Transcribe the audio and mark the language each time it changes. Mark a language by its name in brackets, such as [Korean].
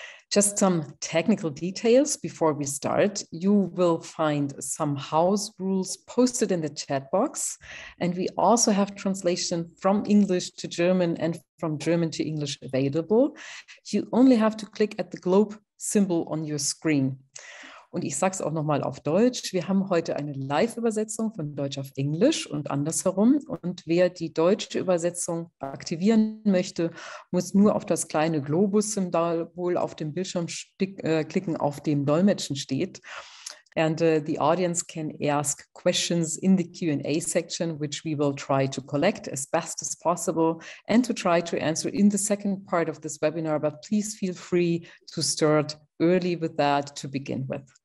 [English] Just some technical details before we start. You will find some house rules posted in the chat box. And we also have translation from English to German and from German to English available. You only have to click at the globe symbol on your screen. [German] Und ich sage es auch nochmal auf Deutsch. Wir haben heute eine Live-Übersetzung von Deutsch auf Englisch und andersherum. Und wer die deutsche Übersetzung aktivieren möchte, muss nur auf das kleine Globus-Symbol auf dem Bildschirm klicken, auf dem Dolmetschen steht. [English] And the audience can ask questions in the Q&A section, which we will try to collect as best as possible and to try to answer in the second part of this webinar. But please feel free to start early with that to begin with.